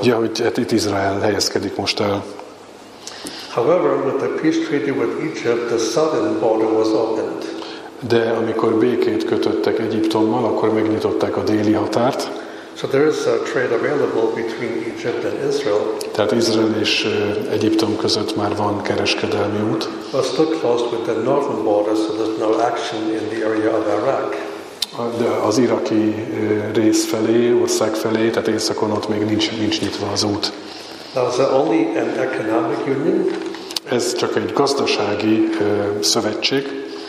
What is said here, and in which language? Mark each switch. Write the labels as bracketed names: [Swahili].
[Hungarian] Ja, hogy itt Izrael helyezkedik most el. [English] However, with the peace treaty with Egypt, the southern border was opened. [Hungarian] De amikor békét kötöttek Egyiptommal, akkor megnyitották a déli határt. [English] So there is a trade available between Egypt and Israel. [Hungarian] Tehát Izrael és Egyiptom között már van kereskedelmi út. [English] But still close with the northern border, so there's no action in the area of Iraq. [Hungarian] De az iraki rész felé, ország felé, tehát északon ott még nincs nyitva az út. [English] Now, is it only an economic union? [Hungarian] Ez csak egy gazdasági szövetség.